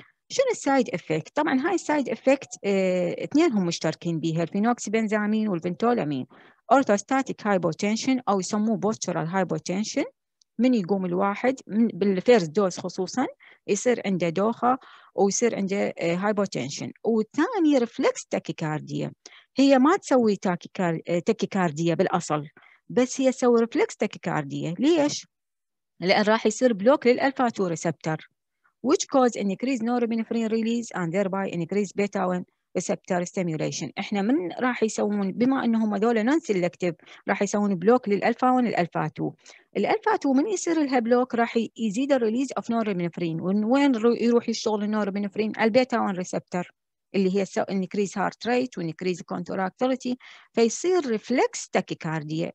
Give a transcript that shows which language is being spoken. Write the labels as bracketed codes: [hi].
[ar] شنو السايد افكت؟ طبعا هاي السايد افكت اثنين هم مشتركين بيها، الفينوكسيبنزامين والفنتولامين، اورثوستاتيك هايبوتنشن او يسموه بوستورال هايبوتنشن، من يقوم الواحد من بالفيرست دوز خصوصا يصير عنده دوخه ويصير عنده هايبوتنشن. والثاني ريفلكس تاكيكارديا، هي ما تسوي تاكيكارديا بالاصل بس هي تسوي ريفلكس تاكيكارديا. [en] ليش؟ لان راح يصير بلوك للالفا 2 receptor which cause an increased norepinephrine release and thereby increased beta 1 receptor stimulation. [ar] احنا من راح يسوون بما انهم هذول نون سيلكتيف راح يسوون بلوك للالفا 1 والالفا 2. الالفا 2 من يصير لها بلوك راح يزيد الريليز اوف نورابينفرين، وين يروح يشتغل النورابينفرين؟ على البيتا 1 ريسبتر اللي هي انكريز هارت ريت وانكريز كونتراكتيليتي، فيصير ريفلكس تاكيكارديا.